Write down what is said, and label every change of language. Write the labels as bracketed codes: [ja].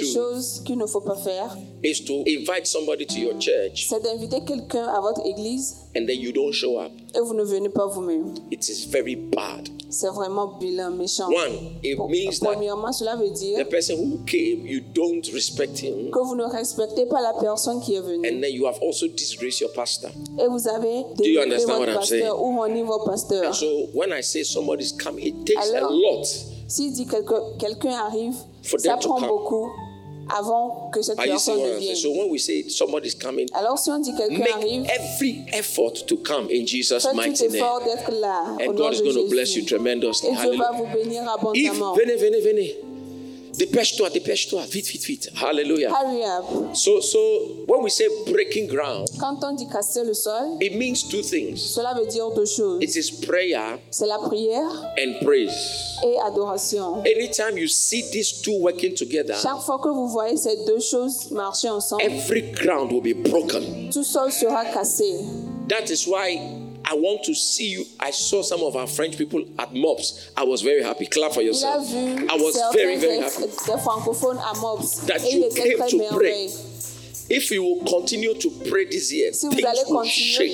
[fr] choses qu'il ne faut pas faire [en] is to invite somebody to your church, [fr] c'est d'inviter quelqu'un à votre église, [en] and then you don't show up. [fr] Et vous ne venez pas vous-même. [en] It is very bad. [fr] C'est vraiment vilain, méchant. [en] One, it means [fr] premièrement, [en] that [fr] cela veut dire [en] the person who came, you don't respect him. [fr] Que vous ne respectez pas la personne qui est venue. [en] And then you have also disgraced your pastor. [fr] Et vous avez [en] do you understand [fr] votre [en] what I'm [fr] pasteur, [en] saying? [fr] Ou renié votre pasteur. [en] And so when I say somebody's come, it takes [fr] alors, [en] a lot. [fr] Si dit quelqu'un arrive, ça prend beaucoup avant que cette personne vienne. [en] So when we say somebody's coming, [fr] alors si on dit quelqu'un [en] make [fr] arrive, [en] every effort to come in Jesus' mighty name. [fr] Effort d'être là, [en] and God is going to bless you tremendously. [fr] Et Dieu va vous bénir abondamment. Venez. Dépêche-toi, vite. Hallelujah. [en] Hurry up. So when we say breaking ground, [fr] quand on dit casser le sol, [en] it means 2 things. [fr] Cela veut dire 2 choses. [en] It is prayer. [fr] C'est la prière. [en] And praise. [fr] Et adoration. [en] Anytime you see these 2 working together, [fr] chaque fois que vous voyez ces 2 choses marcher ensemble, [en] every ground will be broken. [fr] Tout sol sera cassé. [en] That is why I want to see you. I saw some of our French people at MOPS. I was very happy. Clap for yourself. I was very, very happy. The francophone at MOPS. That you came to pray. If you will continue to pray this year, things will shake.